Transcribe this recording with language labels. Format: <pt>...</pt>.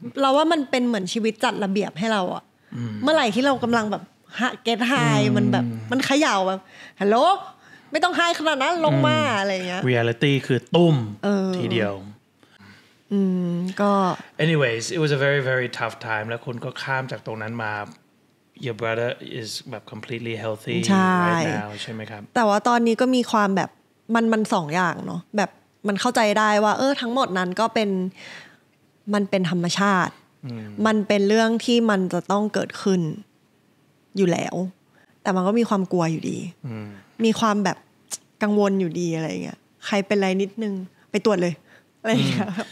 <th>เราว่ามันเป็นเหมือนชีวิตจัดระเบียบให้เราอะเมื่อไหร่ที่เรากำลังแบบฮะเกทไฮมันแบบมันเขย่าแบบฮัลโหลไม่ต้องไฮขนาดนั้นลงมาอะไรเงี้ย เรียลิตี้คือตุ้มทีเดียว ก็</th> <en>anyways it was a very very tough time</en> <th>แล้วคุณก็ข้ามจากตรงนั้นมา</th> <en>your brother is แบบ completely healthy right now</en> <th>ใช่ไหมครับ แต่ว่าตอนนี้ก็มีความแบบมันสองอย่างเนาะแบบมันเข้าใจได้ว่าเออทั้งหมดนั้นก็เป็นมันเป็นธรรมชาติมันเป็นเรื่องที่มันจะต้องเกิดขึ้นอยู่แล้วแต่มันก็มีความกลัวอยู่ดีมีความแบบกังวลอยู่ดีอะไรอย่างเงี้ยใครเป็นอะไรนิดนึงไปตรวจเลยอะไรอย่างเงี้ย</th>